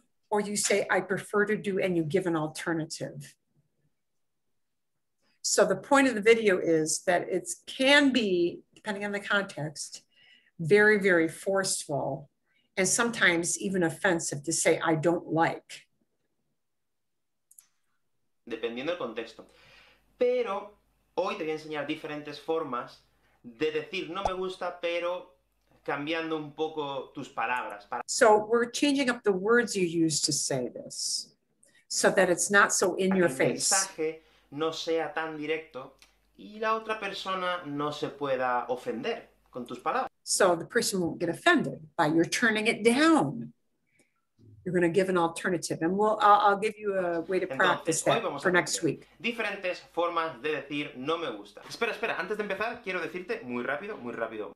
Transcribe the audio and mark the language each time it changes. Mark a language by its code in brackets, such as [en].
[en] Or you say, I prefer to do, and you give an alternative. So the point of the video is that it can be, depending on the context, very, very forceful and sometimes even offensive to say, I don't like. [es] Dependiendo del contexto. Pero hoy te voy a enseñar diferentes formas de decir no me gusta, pero cambiando un poco tus palabras. [en] So we're changing up the words you use to say this so that it's not so in your face. [es] Mensaje no sea tan directo y la otra persona no se pueda ofender con tus palabras. [en] So the person won't get offended by your turning it down. You're going to give an alternative. And I'll give you a way to practice that for next week. [es] Diferentes formas de decir no me gusta. Espera, espera. Antes de empezar, quiero decirte muy rápido, muy rápido.